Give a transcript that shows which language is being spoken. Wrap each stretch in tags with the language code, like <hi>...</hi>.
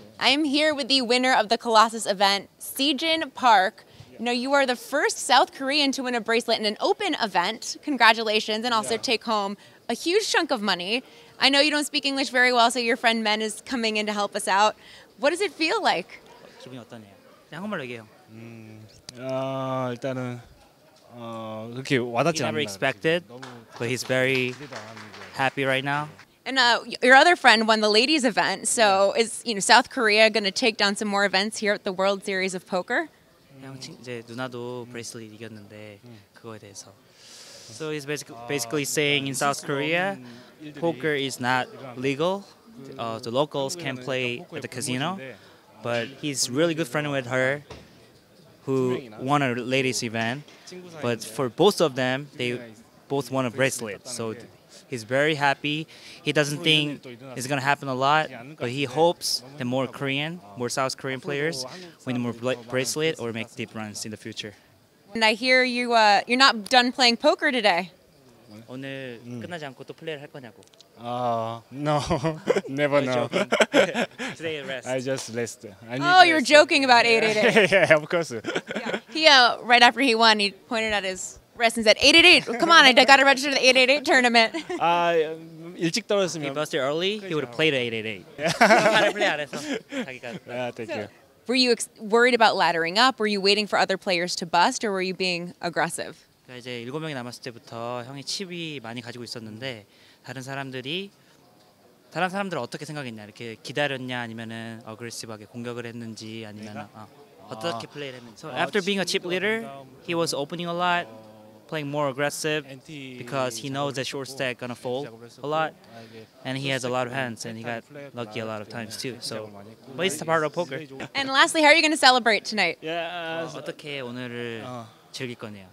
<en>I am here with the winner of the Colossus event, Sejin Park. You know, you are the first South Korean to win a bracelet in an open event. Congratulations, and also take home a huge chunk of money. I know you don't speak English very well, so your friend Men is coming in to help us out. What does it feel like?</en> <ko>기분이 어떠네요? 한국말로 얘기해요. 일단은 그렇게 와닿지 않나.</ko> <en>He never expected, but he's very happy right now. And your other friend won the ladies' event, so is South Korea going to take down some more events here at the World Series of Poker?</en> <ko>이제 누나도 브레이슬릿 이겼는데 그거에 대해서.</ko> <en>So he's basically saying in South Korea, poker is not legal. The locals can play at the casino, but he's really good friend with her, who won a ladies' event. But for both of them, they both won a bracelet. So he's very happy. He doesn't think it's gonna happen a lot, but he hopes that more Korean, more South Korean players win more bracelet or make deep runs in the future. And I hear you, you're not done playing poker today.</en> <ko>오늘 끝나지 않고 또 플레이를 할 거냐고.</ko> <en>No, never know. Today rest. I just rest. You're joking about 888. Yeah, of course. He, right after he won, he pointed at his wrist and said, 888, come on, I got to register the 888 tournament.</en> <ko>일찍 떨어졌으면.</ko> <en>If he busted early, he would have played the 888. Yeah, thank you. Were you worried about laddering up? Were you waiting for other players to bust, or were you being aggressive?</en> <ko>이제 7명이 남았을 때부터 형이 칩이 많이 가지고 있었는데 다른 사람들은 어떻게 생각했냐? 이렇게 기다렸냐? 아니면은 어그레시브하게 공격을 했는지 아니면 어떻게 플레이를 했는지.</ko> <en>So after being a chip leader, he was opening a lot, playing more aggressive because he knows that short stack gonna fold a lot, and he has a lot of hands, and he got lucky a lot of times too. So, but it's a part of poker. And lastly, how are you gonna celebrate tonight? Yeah.</en> <ko>어떻게 오늘을 즐길 거냐?</ko>